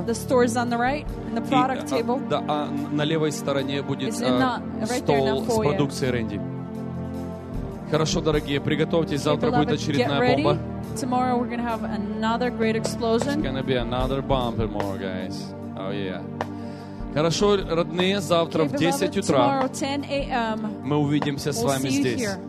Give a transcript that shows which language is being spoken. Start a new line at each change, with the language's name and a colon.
English: Don't forget, the store is on the right, in the product table.
Russian: Да, а на левой стороне будет стол с продукцией Рэнди. Хорошо, дорогие, приготовьтесь, завтра будет очередная бомба.
English: Tomorrow we're going to have another great explosion. It's going to be another bumper more, guys. Oh, yeah.
Russian: Хорошо, родные, завтра в 10 утра мы увидимся с вами здесь.